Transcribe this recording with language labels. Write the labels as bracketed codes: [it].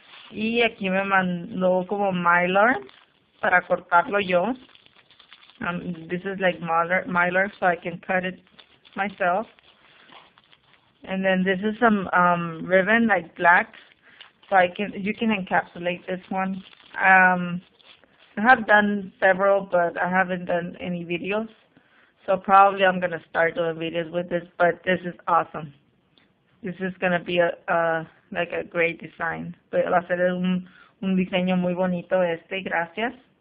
[es] Y aquí me mandó como Mylar para cortarlo yo. [en] This is like Mylar, so I can cut it myself. And then this is some ribbon, like black. So I can, you can encapsulate this one. I have done several, but I haven't done any videos. So probably I'm gonna start doing videos with this, but this is awesome. This is gonna be like a great design. [es] Va a ser un diseño muy bonito este, gracias.